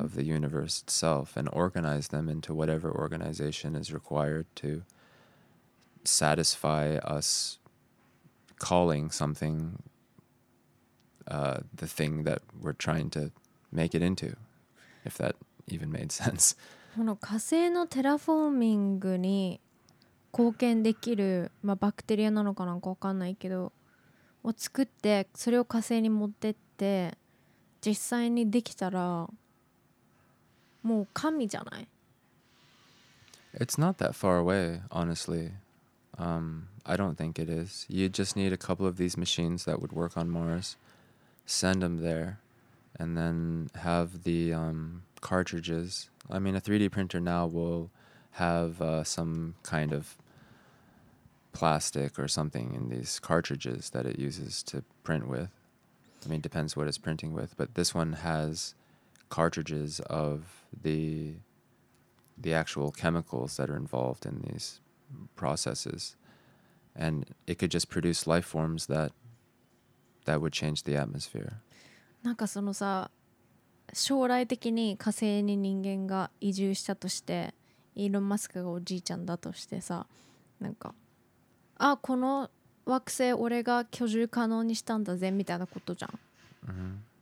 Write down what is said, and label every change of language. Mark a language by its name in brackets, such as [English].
[English] of the universe itself, and organize them into whatever organization is required to satisfy us calling something the thing that we're trying to make it into. If that even made sense. [Japanese] この火星のテラフォーミングに貢献できる、まあ、バクテリアなのかなんか分かんないけどを作ってそれを火星に持ってって実際にできたらもう神じゃない? [English] It's not that far away, honestly. I don't think it is. You just need a couple of these machines that would work on Mars. Send them there. And then have the cartridges. I mean, a 3D printer now will have some kind of plastic or something in these cartridges that it uses to print with. I mean, depends what it's printing with. But this one has cartridges of the actual chemicals that are involved in these processes. And it could just produce life forms that would change the atmosphere. [Japanese] なんかそのさ将来的に火星に人間が移住したとしてイーロン・マスクがおじいちゃんだとしてさなんかあこの惑星俺が居住可能にしたんだぜみたいなことじゃん、 mm-hmm.